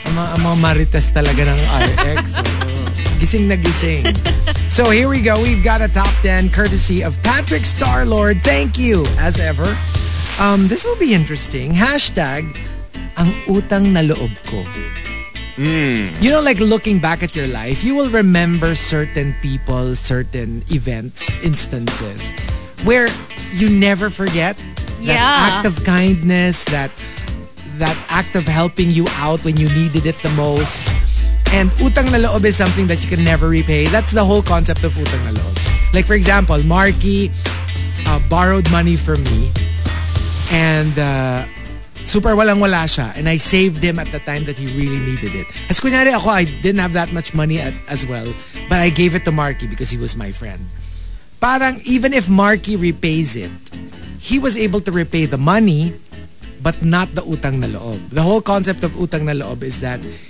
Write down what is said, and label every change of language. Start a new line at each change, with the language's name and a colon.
Filipino: Ang mga marites talaga ng RX. Gising na gising.
English: So here we go. We've got a top 10 courtesy of Patrick Starlord. Thank you, as ever. This will be interesting.
Filipino: Hashtag, ang utang na loob ko.
English: You know, like looking back at your life, you will remember certain people, certain events, instances, where you never forget. Yeah. That act of kindness, that act of helping you out when you needed it the most. And utang na loob is something that you can never repay. That's the whole concept of utang na loob. Like for example, Markki borrowed money from me.
Filipino: And super walang wala siya.
English: And I saved him at the time that he really needed it. As kunyari ako, I didn't have that much money as well. But I gave it to Markki because he was my friend. Parang even if Markki repays it, he was able to repay the money, but not the utang na loob. The whole concept of utang na loob is that